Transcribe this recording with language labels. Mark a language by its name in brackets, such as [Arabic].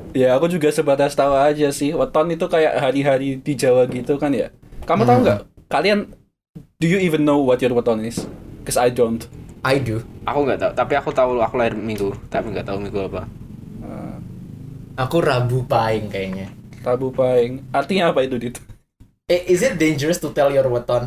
[Indonesian] Ya aku juga sebatas tahu aja sih. Weton itu kayak hari-hari di Jawa gitu kan ya. Kamu tahu enggak? [English] Kalian do you even know what your weton is? Because I don't. I do. [Indonesian] Aku enggak tahu, tapi aku tahu aku lahir Minggu, tapi enggak tahu Minggu apa. Aku Rabu Pahing kayaknya. Rabu Pahing. Artinya apa itu, Dit? [English] Is it dangerous to tell your weton?